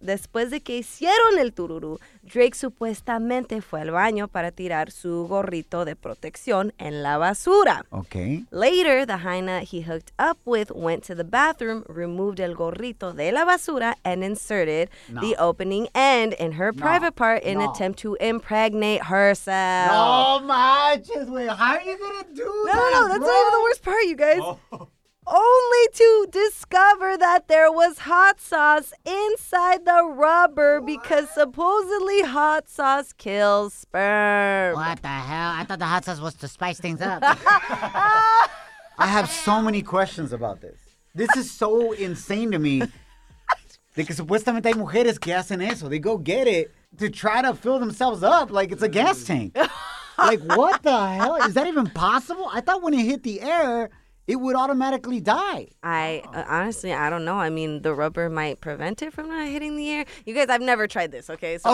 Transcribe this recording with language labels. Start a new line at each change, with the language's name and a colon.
Spanish: Después de que hicieron el tururu, Drake supuestamente fue al baño para tirar su gorrito de protección en la basura.
English: Okay. Later, the jaina he hooked up with went to the bathroom, removed
Spanish: el gorrito de la basura,
English: and inserted the opening end in her private part in attempt to impregnate herself.
Spanish: No, manches,
English: wait, how are you gonna do that? No, that's not even the worst part, you guys. Oh. Only to discover that there was hot sauce inside the rubber because supposedly hot sauce kills sperm. What the hell? I thought the hot sauce was to spice things up. I have so many questions about this. This is so insane to me.
Spanish: De que supuestamente hay mujeres que hacen eso.
English: They go get it to try to fill themselves up like it's a gas tank. Like, what the hell? Is that even possible? I thought when it hit the air, it would automatically die. Honestly, I don't know. I mean, the rubber might prevent it from not hitting the air. You guys, I've never tried this, okay? So